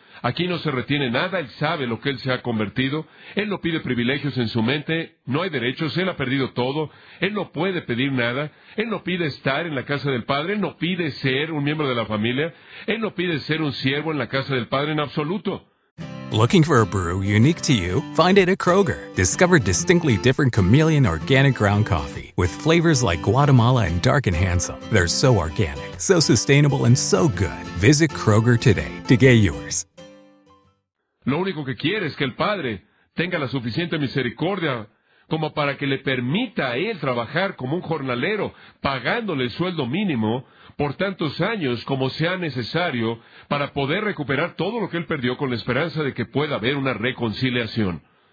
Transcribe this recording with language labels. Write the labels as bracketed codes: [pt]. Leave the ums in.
[es] Aquí no se retiene nada, él sabe lo que él se ha convertido, él no pide privilegios en su mente, no hay derechos, él ha perdido todo, él no puede pedir nada, él no pide estar en la casa del Padre, él no pide ser un miembro de la familia, él no pide ser un siervo en la casa del Padre en absoluto. [en] Looking for a brew unique to you? Find it at Kroger. Discover distinctly different chameleon organic ground coffee with flavors like Guatemala and Dark and Handsome. They're so organic, so sustainable, and so good. Visit Kroger today to get yours. [es] Lo único que quiere es que el Padre tenga la suficiente misericordia como para que le permita a él trabajar como un jornalero, pagándole el sueldo mínimo por tantos años como sea necesario para poder recuperar todo lo que él perdió con la esperanza de que pueda haber una reconciliación.